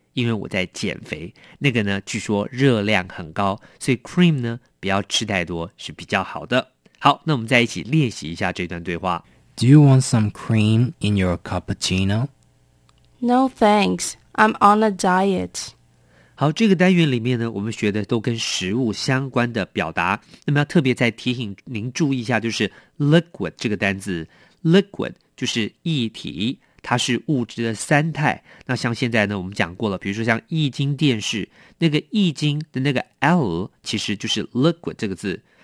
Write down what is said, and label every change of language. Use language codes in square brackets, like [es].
[zh] 因为我在减肥，那个呢据说热量很高，所以 cream 呢不要吃太多是比较好的。好，那我们再一起练习一下这段对话。 [en] Do you want some cream in your cappuccino? No thanks, I'm on a diet. [zh] 好，这个单元里面呢我们学的都跟食物相关的表达，那么要特别再提醒您注意一下，就是 liquid 这个单字， liquid 就是液体，它是物质的三态。那像现在呢我们讲过了，比如说像液晶电视，那个液晶的那个 L 其实就是 liquid 这个字。